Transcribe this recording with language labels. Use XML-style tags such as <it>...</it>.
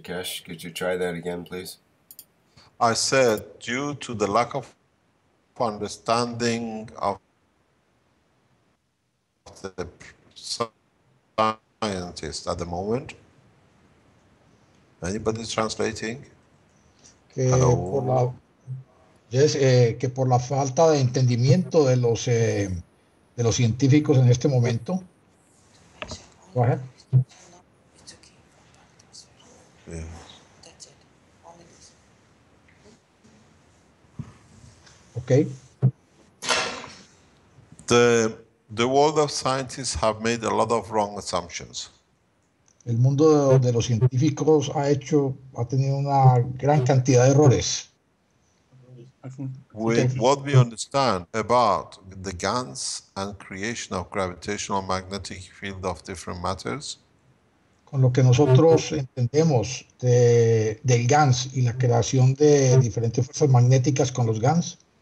<en>Keshe. Could you try that again, please? I said, due to the lack of understanding of the scientists at the moment. Anybody translating?</en> <es>Que por la,</es> <en>yes,</en> <es>que por la falta de entendimiento de los de los científicos en este momento.</es> <en>Go ahead. Yeah. Okay. The world of scientists have made a lot of wrong assumptions.</en> <es>El mundo de los científicos ha hecho, ha tenido una gran cantidad de errores.</es> <en>With what we understand about the GANs and creation of gravitational magnetic field of different matters.</en> <es>Con lo que nosotros entendemos de, del GANs y la creación de diferentes fuerzas magnéticas con los GANs.</es>